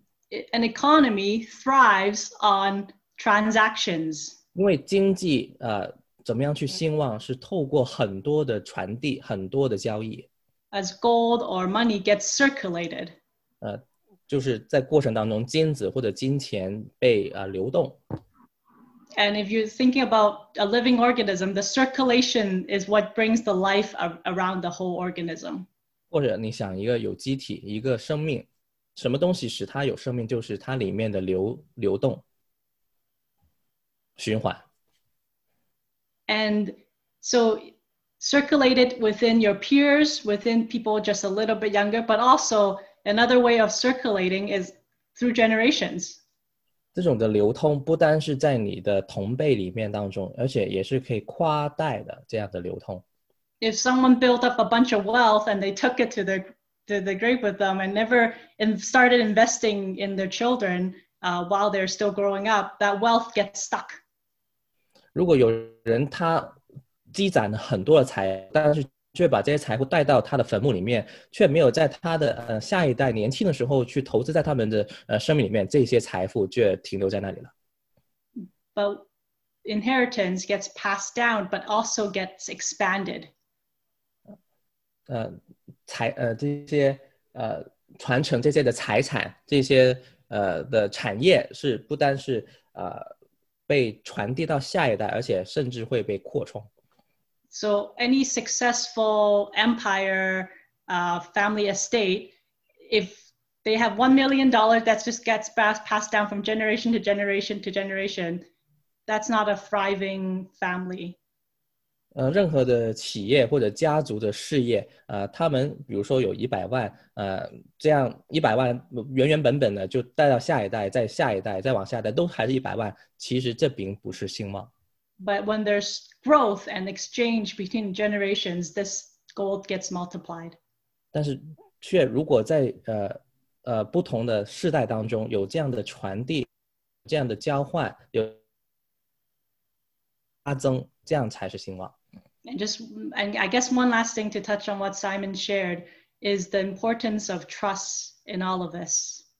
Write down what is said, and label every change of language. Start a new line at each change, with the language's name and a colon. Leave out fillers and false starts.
English: An economy thrives on transactions.
Chinese: 因为经济怎么样去兴旺，是透过很多的传递，很多的交易。
English: As gold or money gets circulated.
Chinese: 就是在过程当中金子或者金钱被流动。
English: And if you're thinking about a living organism, the circulation is what brings the life around the whole organism.
Chinese: 或者你想一个有机体，一个生命，什么东西使它有生命，就是它里面的流动，循环。
English: And so circulate it within your peers, within people just a little bit younger, but also another way of circulating is through generations.
Chinese: 这种的流通不单是在你的同辈里面当中，而且也是可以跨代的这样的流通。
English: If someone built up a bunch of wealth and they took it to the grave with them and never started investing in their children, while they're still growing up, that wealth gets stuck.
Chinese: 如果有人他积攒了很多的财，但是却把这些财富带到他的坟墓里面，却没有在他的下一代年轻的时候去投资在他们的生命里面，这些财富却停留在那里了。
English: But inheritance gets passed down, but also gets expanded.
Chinese: 这些传承这些的财产，这些的产业是不单是被传递到下一代，而且甚至会被扩充。
English: So any successful empire, family estate, if they have $1 million that just gets passed down from generation to generation to generation, that's not a thriving family.
Chinese: 任何的企业或者家族的事业，他们比如说有这样100万原原本本的就带到下一代，再下一代，再往下一代，都还是100万，其实这并不是兴旺。
English: But when there's growth and exchange between generations, this gold gets multiplied.
Chinese: 但是却如果在不同的世代当中有这样的传递，这样的交换，有加增，这样才是兴旺。
English: And I guess one last thing to touch on what Simon shared is the importance of trust in all of this.